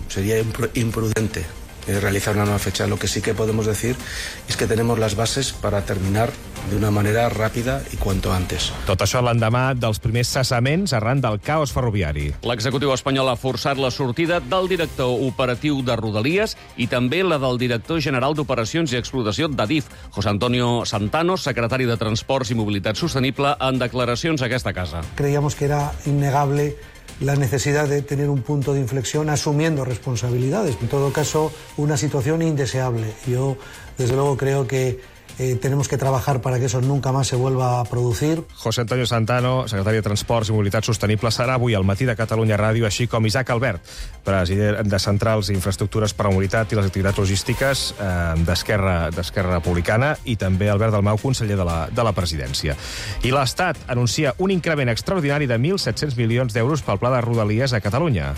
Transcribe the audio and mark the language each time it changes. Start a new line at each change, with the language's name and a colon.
Spanish: Sería imprudente realizar una nueva fecha. Lo que sí que podemos decir es que tenemos las bases para terminar de una manera rápida y cuanto antes.
Catalan: Tot això l'endemà dels primers cessaments arran del caos ferroviari. L'executiu espanyol ha forçat la sortida del director operatiu de Rodalies i també la del director general d'Operacions i Explotació d'ADIF, José Antonio Santano, secretari de Transports i Mobilitat Sostenible, en declaracions a aquesta casa.
Spanish: Creíamos que era innegable la necesidad de tener un punto de inflexión asumiendo responsabilidades. En todo caso, una situación indeseable. Yo, desde luego, creo que tenemos que trabajar para que eso nunca más se vuelva a producir.
Catalan: José Antonio Santano, secretari de Transports i Mobilitat Sostenible, serà avui al matí de Catalunya Ràdio, així com Isaac Albert, president de Centrals i Infraestructures per a Mobilitat i les Activitats Logístiques d'Esquerra Republicana, i també Albert Dalmau, conseller de la presidència. I l'Estat anuncia un increment extraordinari de 1.700 milions d'euros pel pla de Rodalies a Catalunya.